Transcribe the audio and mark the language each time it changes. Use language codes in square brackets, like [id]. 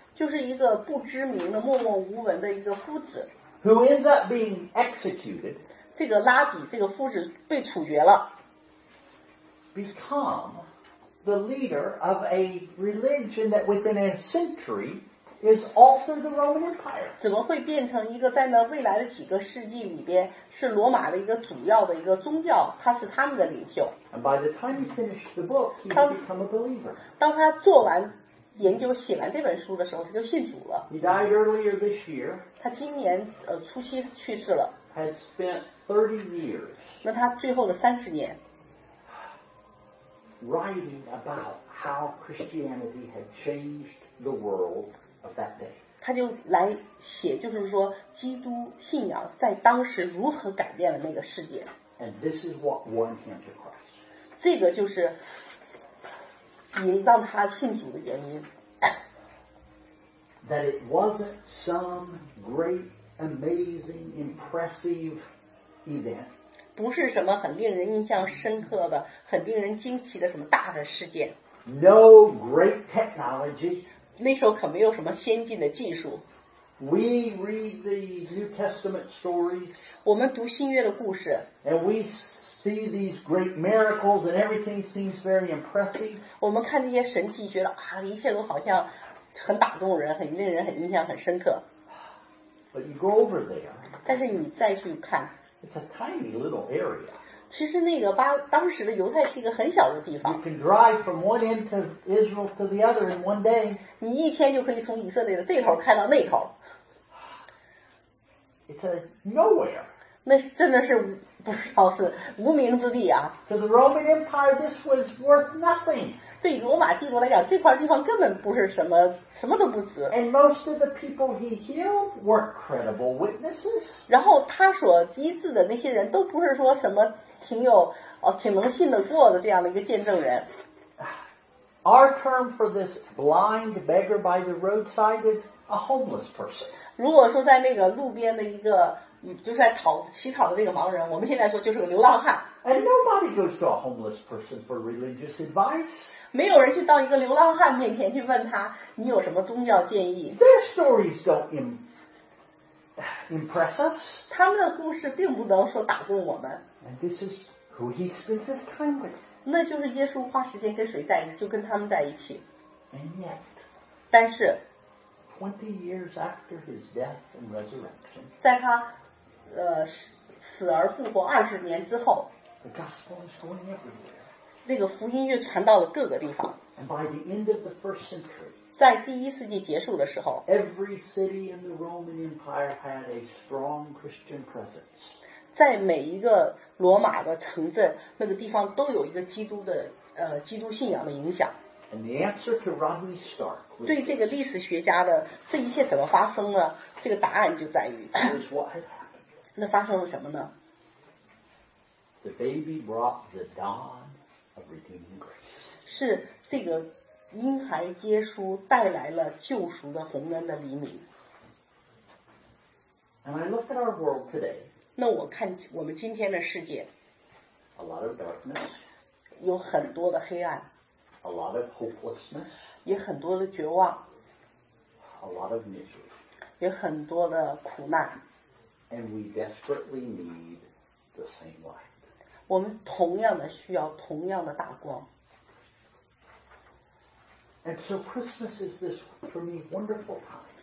[zh] 就是一个不知名的默默无闻的一个夫子， [en] who ends up being executed, [zh] 这个拉比这个夫子被处决了， [en] become the leader of a religion that within a century is altered the Roman Empire. [zh] 怎么会变成一个在那未来的几个世纪里边是罗马的一个主要的一个宗教，他是他们的领袖。 [en] And by the time he finished the book, he became a believer. [zh] 当他做完研究写完这本书的时候，他就信主了。 [en] He died earlier this year. [zh] 他今年初期去世了。 [en] Had spent 30 years. [zh] 那他最后的30年 [en] writing about how Christianity had changed the world of that day. [zh] 他就来写，就是说基督信仰在当时如何改变了那个世界。 [en] And this is what won him to Christ. [zh] 这个就是引让他信主的原因。 [en] That it wasn't some great. Amazing, impressive event. [zh] 不是什么很令人印象深刻的，很令人惊奇的什么大的事件。 [en] No great technology. [zh] 那时候可没有什么先进的技术。 [en] We read the New Testament stories. [zh] 我们读新约的故事。 [en] And we see these great miracles, and everything seems very impressive. [zh] 我们看这些神迹，觉得啊，一切都好像很打动人，很令人很印象很深刻。 [en] But you go over there. [zh] 但是你再去看。 [en] It's a tiny little area. [zh] 其实那个当时的犹太是一个很小的地方。 [en] You can drive from one end to Israel to the other in one day. [zh] 你一天就可以从以色列的这头开到那头。 [en] It's a nowhere. [zh] 那真的是不知道是无名之地啊。 [en] To the Roman Empire, this was worth nothing. [zh] 对罗马帝国来讲，这块地方根本不是什么，什么都不值。 [en] And most of the people he healed were credible witnesses. [zh] 然后他所医治的那些人都不是说什么挺能信得过的这样的一个见证人。 [en] Our term for this blind beggar by the roadside is a homeless person. [zh] 如果说在那个路边的一个就是在乞讨的那个盲人，我们现在说就是个流浪汉。 [en] And nobody goes to a homeless person for religious advice. [zh] 没有人去到一个流浪汉面前去问他，你有什么宗教建议。 [en] Their stories don't impress us. [zh] 他们的故事并不能说打动我们。 [en] And this is who he spends his time with. [zh] 那就是耶稣花时间跟谁在一起，就跟他们在一起。 [en] And yet, [zh] 但是 [en] 20 years after his death and resurrection, [zh] 在他死而复活20年之后 [en] the gospel is going everywhere. [zh] 那个福音就传到了各个地方。 [en] And by the end of the first century, [zh] 在第一世纪结束的时候 [en] every city in the Roman Empire had a strong Christian presence. [zh] 在每一个罗马的城镇，那个地方都有一个基督的基督信仰的影响。 [en] And the answer to Rodney Stark, [zh] 对这个历史学家的这一切怎么发生呢？这个答案就在于。 [en] Is what happened. [zh] 那发生了什么呢 [en] ？The baby brought the dawn of redeeming grace. [zh] 是这个婴孩耶稣带来了救赎的红恩的黎明。 [en] And I look at our world today. [zh] 那我看我们今天的世界 [en] a lot of darkness, [zh] 有很多的黑暗 [en] a lot of hopelessness, [zh] 也很多的绝望 [en] a lot of misery, [zh] 也很多的苦难 [en] and we desperately need the same light. [zh] 我们同样的需要同样的大光 [en] and so Christmas is this for me wonderful time.